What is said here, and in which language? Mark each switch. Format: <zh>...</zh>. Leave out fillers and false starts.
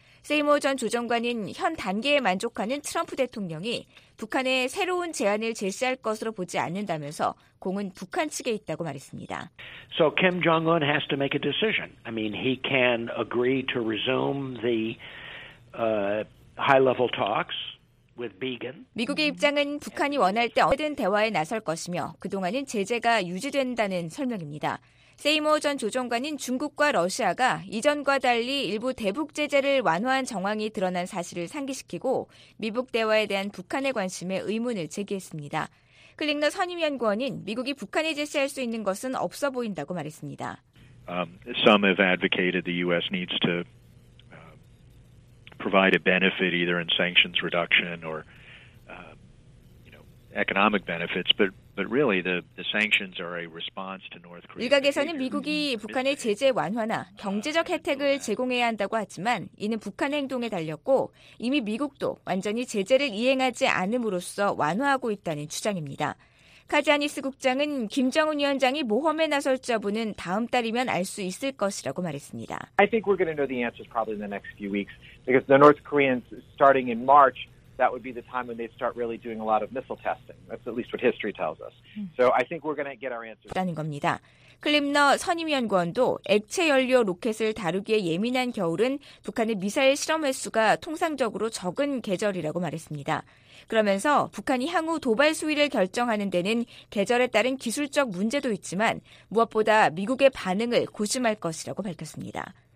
<ko>세이머 전 조정관은 현 단계에 만족하는 트럼프 대통령이 북한에 새로운 제안을 제시할 것으로 보지 않는다면서 공은 북한 측에 있다고 말했습니다.</ko> <en>So Kim Jong-un has to make a decision. I mean, he can agree to resume the high-level talks with Began.</en> <ko>미국의 입장은 북한이 원할 때 어떻게든 대화에 나설 것이며 그동안은 제재가 유지된다는 설명입니다. 세이머 전 조정관은 중국과 러시아가 이전과 달리 일부 대북 제재를 완화한 정황이 드러난 사실을 상기시키고 미북 대화에 대한 북한의 관심에 의문을 제기했습니다. 클링너 선임연구원은 미국이 북한에 제시할 수 있는 것은 없어 보인다고 말했습니다.</ko> <en>Some have advocated the U.S. needs to provide a benefit either in sanctions reduction or economic benefits, but really, the sanctions are a response to North Korea.</en> <ko>일각에서는 미국이 북한의 제재 완화나 경제적 혜택을 제공해야 한다고 하지만 이는 북한 행동에 달렸고 이미 미국도 완전히 제재를 이행하지 않음으로써 완화하고 있다는 주장입니다. 카지아니스 국장은 김정은 위원장이 모험에 나설지 여부는 다음 달이면 알 수 있을 것이라고 말했습니다.</ko> <en>I think we're going to know the answers probably in the next few weeks because the North Koreans starting in March. That would be the time when they'd start really doing a lot of missile testing. That's at least what history tells us. So I think we're going to get our answers.</en> <ko>라는 겁니다. 클림너 선임연구원도 액체 연료 로켓을 다루기에 예민한 겨울은 북한의 미사일 실험 횟수가 통상적으로 적은 계절이라고 말했습니다. 그러면서 북한이 향후 도발 수위를 결정하는 데는 계절에 따른 기술적 문제도 있지만 무엇보다 미국의 반응을 고심할 것이라고 밝혔습니다.</ko>